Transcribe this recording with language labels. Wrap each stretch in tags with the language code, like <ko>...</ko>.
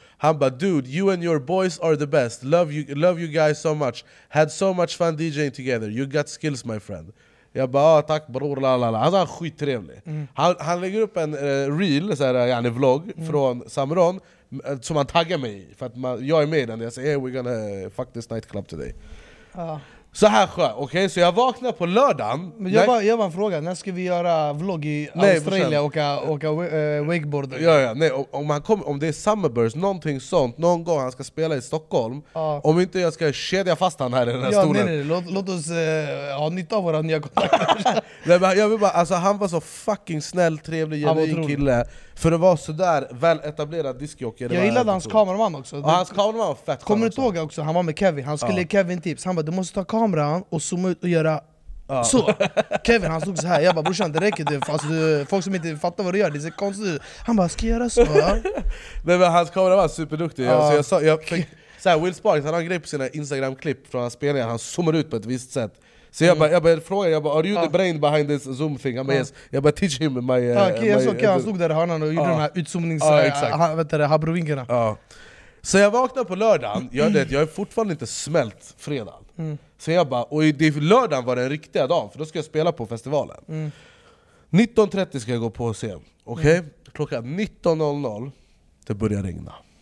<sv>Han bara,</sv> <en>dude, you and your boys are the best. Love you guys so much. Had so much fun DJing together. You got skills, my friend.</en> <sv>Jag bara, tack bror. Lalala. Han sa, skittrevlig. Mm. Han lägger upp en reel, så här, en vlogg från Samron. Som han taggar mig i. För att jag är med i den. Jag säger,</sv> <en>hey, we're gonna fuck this nightclub today.</en> <sv>Så här skönt, okej? Okay? Så jag vaknar på lördagen. Men jag har en fråga. När ska vi göra vlogg i Australien och åka wakeboard? Ja, ja. Nej, om det är Summerburst, någonting sånt, någon gång han ska spela i Stockholm. Om inte jag ska kedja fast han här i den här stolen. Nej. Låt oss ha nytta av våra nya kontakter. Nej, jag vill bara, alltså, han var så fucking snäll, trevlig, genuin kille. För att vara sådär väl etablerad diskjockey. Jag gillade hans kameraman också. Ja, hans kameraman var fett. Kommer du ihåg också, han var med Kevin. Han skulle ge Kevin tips. Han bara, du måste ta kameran och zooma ut och göra så. Kevin, han stod så här. Jag bara, brorsan, det räcker. Alltså, folk som inte fattar vad du gör, det ser konstigt ut. Han bara, ska jag göra så? Nej, men hans kameraman var superduktig. Alltså, jag fick Will Sparks, han har en grej på sina Instagram-klipp från hans spelningar. Han zoomar ut på ett visst sätt. Så jag bara,</sv> <en>are you the brain behind this Zoom thing? Yes.</en> <sv>Jag bara,</sv> <en>teach him my...</en> <sv>Okej, han stod där i hörnan och gjorde de här utzoomningshabrovinkarna. Så jag vaknar på lördagen. Jag är fortfarande inte smält fredag. Så jag bara, och lördagen var den riktiga dagen, för då ska jag spela på festivalen. 19.30 ska jag gå på scen. Okej? Okay? Klockan 19.00, det börjar regna.</sv>